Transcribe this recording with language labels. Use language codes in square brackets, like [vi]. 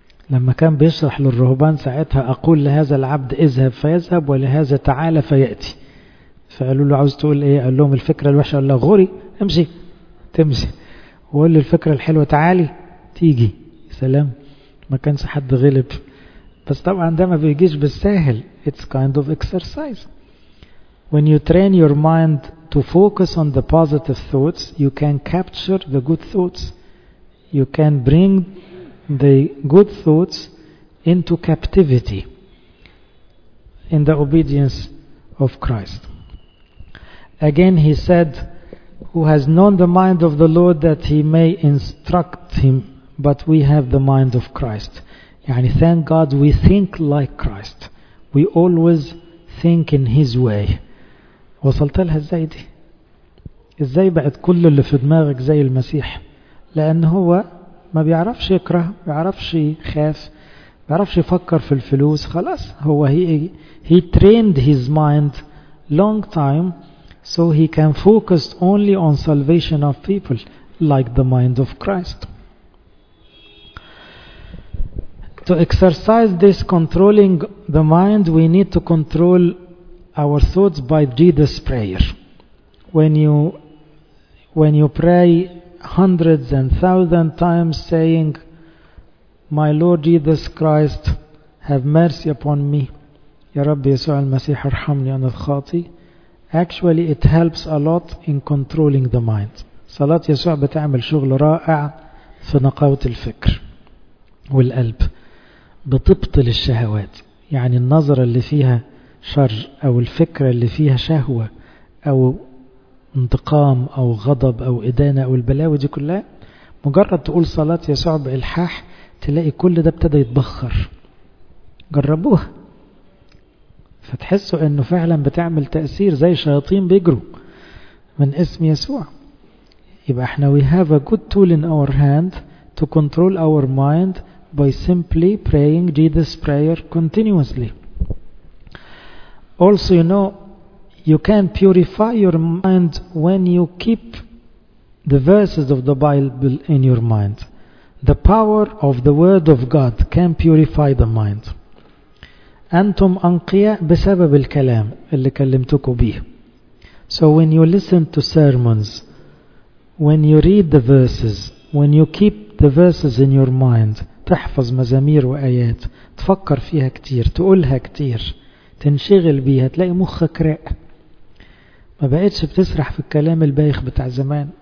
[ar] لما كان بيشرح للرهبان ساعتها اقول لهذا العبد اذهب فيذهب ولهذا تعالى فيأتي، فقالوا له عاوز تقول ايه؟ قال لهم الفكرة الوحشة، قال له غوري امشي تمشي، وقول له الفكرة الحلوة تعالي تيجي. سلام، ما كانش حد غلب. بس طبعا ده ما بيجيش بالسهل، [en] it's kind of exercise. When you train your mind to focus on the positive thoughts, you can capture the good thoughts. You can bring the good thoughts into captivity in the obedience of Christ. Again, he said, who has known the mind of the Lord that he may instruct him, but we have the mind of Christ. يعني thank God we think like Christ. We always think in his way. [ar] وصلت لها ازاي دي؟ ازاي بعد كل اللي في دماغك زي المسيح؟ لان هو ما بيعرفش يكره، ما بيعرفش يخاف، ما بيعرفش يفكر في الفلوس، خلاص هو [en] he trained his mind long time so he can focus only on salvation of people like the mind of Christ. To exercise this controlling the mind, we need to control our thoughts by Jesus' prayer. When you pray hundreds and thousands times saying, My Lord Jesus Christ, have mercy upon me. [ar] Ya Rabbi Yesu al-Masih, arhamni an al-khati. [en] Actually, it helps a lot in controlling the mind. [ar] Salat Yesu bata'amil shughl ra'a' fi naqawat al-fikr wal-alb. بتبطل الشهوات، يعني النظرة اللي فيها شر أو الفكرة اللي فيها شهوة أو انتقام أو غضب أو إدانة أو البلاوي دي كلها، مجرد تقول صلاة يسوع بإلحاح تلاقي كل ده ابتدى يتبخر. جربوها فتحسوا أنه فعلا بتعمل تأثير، زي شياطين بيجروا من اسم يسوع. يبقى احنا [en] we have a good tool in our hand to control our mind by simply praying Jesus' prayer continuously. Also, you know, you can purify your mind when you keep the verses of the Bible in your mind. The power of the Word of God can purify the mind. [ar] أنتم أنقياء بسبب الكلام اللي كلمتكم به. [en] So when you listen to sermons, when you read the verses, when you keep the verses in your mind, [ar] تحفظ مزامير وآيات، تفكر فيها كتير، تقولها كتير، تنشغل بيها، تلاقي مخك رائع، ما بقتش بتسرح في الكلام البايخ بتاع زمان.